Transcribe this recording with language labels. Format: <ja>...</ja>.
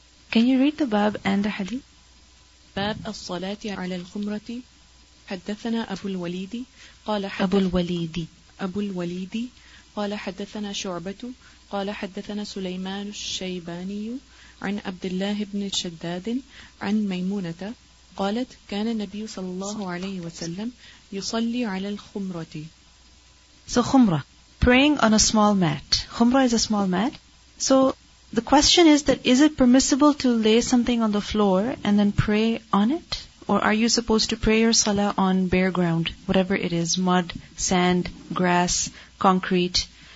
<en>Can you read the bab and the hadith?</en> <ar>باب الصلاة على الخمرة. حدثنا أبو الوليد قال قال حدثنا شعبة قال حدثنا سليمان الشيباني عن عبد الله بن شداد عن ميمونة قالت كان النبي صلى الله عليه وسلم يصلي على الخمرة.</ar> <en>So خمرة, praying on a small mat. خمرة is a small mat. So the question is that is it permissible to lay something on the floor and then pray on it? Or are you supposed to pray your salah on bare ground, whatever it is, mud, sand, grass, concrete?</en>